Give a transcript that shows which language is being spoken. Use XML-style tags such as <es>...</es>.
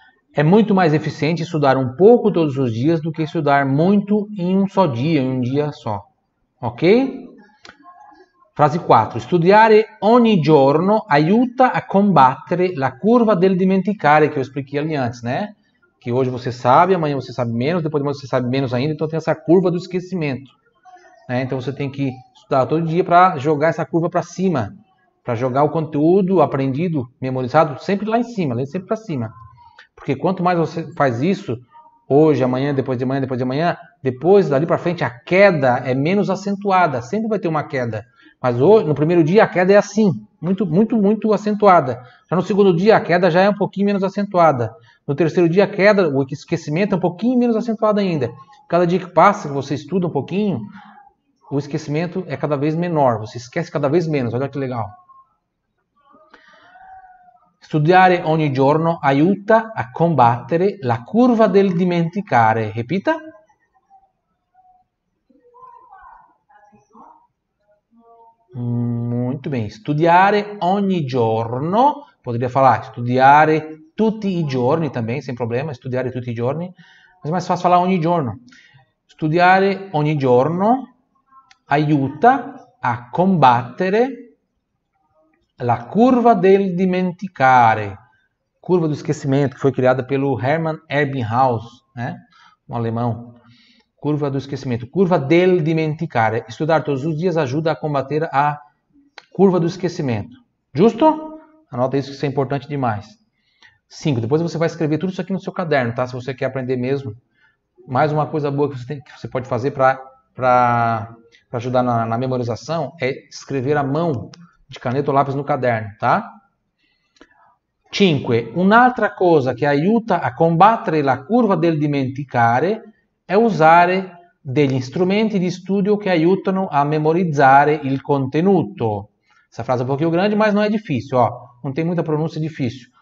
<it>È molto più efficiente studiare un poco tutti i giorni do che studiare molto in un</it> <pt>dia só.</pt> <it>Ok? Frase 4. Studiare ogni giorno aiuta a combattere la curva del dimenticare che</it> <pt>eu expliquei ali antes, né? Que hoje você sabe, amanhã você sabe menos, depois de amanhã você sabe menos ainda, então tem essa curva do esquecimento, né? Então você tem que estudar todo dia para jogar essa curva para cima, para jogar o conteúdo aprendido, memorizado, sempre lá em cima, sempre para cima. Porque quanto mais você faz isso, hoje, amanhã, depois de amanhã, depois de amanhã, depois dali para frente a queda é menos acentuada, sempre vai ter uma queda. Mas hoje, no primeiro dia a queda é assim, muito, muito, muito acentuada. Já no segundo dia a queda já é um pouquinho menos acentuada. No terceiro dia a queda, o esquecimento é um pouquinho menos acentuado ainda. Cada dia que passa, que você estuda um pouquinho, o esquecimento é cada vez menor, você esquece cada vez menos. Olha que legal.</pt> <it>Studiare ogni giorno aiuta a combattere la curva del dimenticare.</it> <pt>Repita. Muito bem.</pt> <it>Studiare ogni giorno.</it> <pt>Poderia falar</pt> <it>studiare tutti i giorni</it> <pt>também, sem problema.</pt> <it>Studiare tutti i giorni.</it> <pt>Mas é mais fácil falar ogni giorno.</pt> <it>Studiare ogni giorno aiuta a combattere la curva del dimenticare,</it> <pt>curva do esquecimento, que foi criada pelo Hermann Ebbinghaus, né? Um alemão. Curva do esquecimento,</pt> <it>curva del dimenticare.</it> <pt>Estudar todos os dias ajuda a combater a curva do esquecimento. Justo? Anota isso, que isso é importante demais. 5. Depois você vai escrever tudo isso aqui no seu caderno, tá? Se você quer aprender mesmo. Mais uma coisa boa que você pode fazer para ajudar na memorização é escrever à mão. De caneta ou lápis no caderno, tá? 5.</pt> <it>Un'altra cosa che aiuta a combattere la curva del dimenticare è usare degli strumenti di studio che aiutano a memorizzare il contenuto. Questa frase è un pochino grande, ma non è difficile, ó. Non</it> <pt>tem muita</pt> <it>pronuncia difficile.</it>